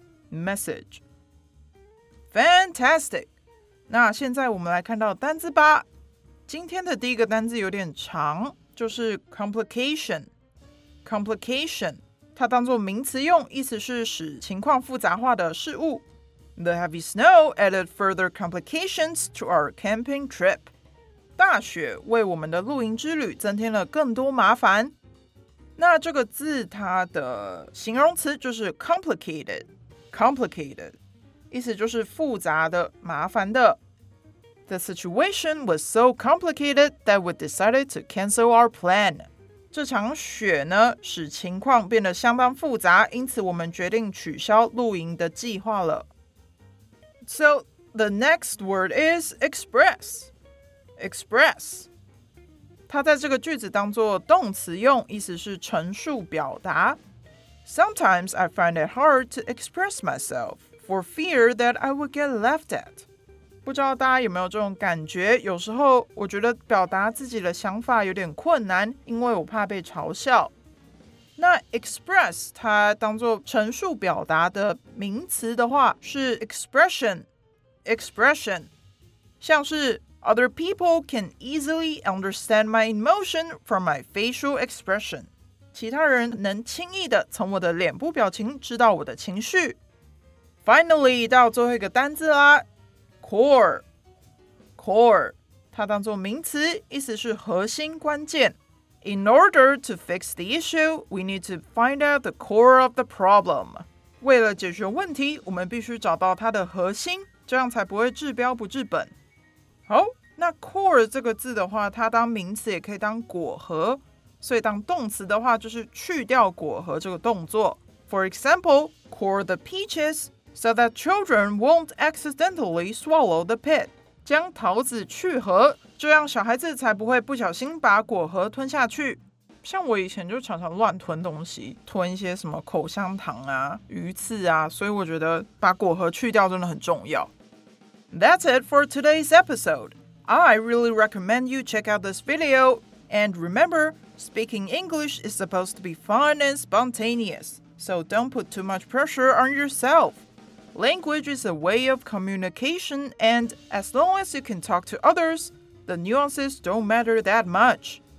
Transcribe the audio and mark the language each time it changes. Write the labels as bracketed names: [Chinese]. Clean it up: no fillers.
[English] message fantastic [Chinese] 那现在我们来看到单字吧。今天的第一个单字有点长，就是 complication。 [English] complication [Chinese] 它当作名词用，意思是使情况复杂化的事物。 [English] The heavy snow added further complications to our camping trip. [Chinese] 大雪为我们的露营之旅增添了更多麻烦。那这个字它的形容词就是 complicated。 [English] complicated。 [Chinese] 意思就是复杂的、麻烦的。 [English] The situation was so complicated that we decided to cancel our plan. [Chinese] 这场雪呢，使情况变得相当复杂，因此我们决定取消露营的计划了。 [English] So, the next word is express. Express. [Chinese] 它在这个句子当作动词用，意思是陈述、表达。 [English] Sometimes I find it hard to express myself. For fear that I would get laughed at. [Chinese] 不知道大家有没有这种感觉？有时候我觉得表达自己的想法有点困难，因为我怕被嘲笑。那 express 它当作陈述表达的名词的话是 expression 像是 [English] other people can easily understand my emotion from my facial expression [Chinese] 其他人能轻易的从我的脸部表情知道我的情绪 [English] finally [Chinese] 到最后一个单字啦 [English] core [Chinese] 它当作名词意思是核心关键 [English] In order to fix the issue, we need to find out the core of the problem. [Chinese] 为了解决问题，我们必须找到它的核心，这样才不会治标不治本。好，那 core 这个字的话，它当名词也可以当果核，所以当动词的话就是去掉果核这个动作。 [English] For example, core the peaches so that children won't accidentally swallow the pit. [Chinese] 将桃子去核。这样小孩子才不会不小心把果核吞下去。像我以前就常常乱吞东西，吞一些什么口香糖啊、鱼刺啊，所以我觉得把果核去掉真的很重要。 [English] That's it for today's episode. I really recommend you check out this video. And remember, speaking English is supposed to be fun and spontaneous. So don't put too much pressure on yourself. Language is a way of communication, and as long as you can talk to others, the nuances don't matter that much.